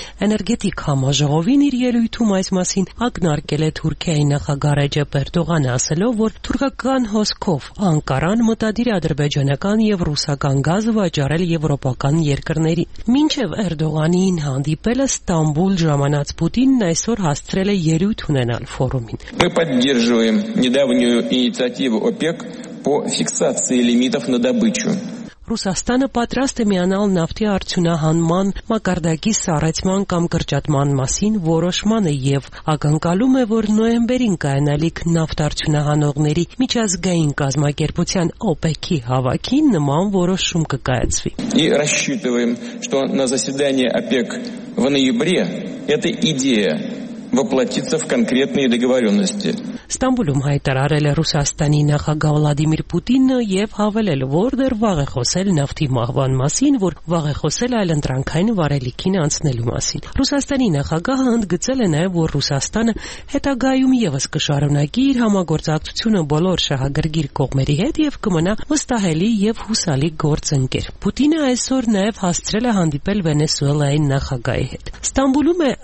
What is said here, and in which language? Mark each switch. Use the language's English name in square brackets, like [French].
[Armenian] էներգետիկ համաժողովին իր ելույթում այս մասին ակնարկել է Թուրքիայի նախագահ Ռեջեփ Էրդողանը, ասելով, որ թուրքական հոսքով Անկարան մտադիր է ադրբեջանական եւ ռուսական գազը վաճառել եվրոպական երկրների։ Մինչև Էրդողանին հանդիպելը Ստամբուլ ժամանած Պուտինն այսօր հաստրել է ելույթ ունենալ ֆորումին։ [Russian] Мы поддерживаем недавнюю инициативу ОПЕК по фиксации лимитов на добычу. [Armenian] Ռուսաստանը պատրաստ է միանալ նավթի արդյունահանման, մակարդակի սառեցման կամ կրճատման մասին որոշմանը եւ ակնկալում է, որ նոեմբերին կայանալիք նավթարդյունահանողների միջազգային կազմակերպության ՕՊԵԿ-ի հավաքին նման որոշում կկայացվի։ [Russian] И рассчитываем, что на заседании ОПЕК в ноябре эта идея воплотится в конкретные договорённости. [Armenian] Ստամբուլում հայտարարել է Ռուսաստանի նախագահ Վլադիմիր Պուտինը եւ հավելել, որ դեռ վաղ է խոսել նավթի մահվան մասին, որ վաղ է խոսել այլ ընտրանքային վարելիքին անցնելու մասին։ Ռուսաստանի նախագահը ընդգծել է նաեւ, որ Ռուսաստանը հետագայում եւս կշարունակի իր համագործակցությունը բոլոր շահագրգիր կողմերի հետ եւ կմնա վստահելի եւ հուսալի գործընկեր։ Պուտինը այսօր նաեւ հաստրել է հանդիպել Վենեսուելայի նախագահի հետ։ Ստամբուլում է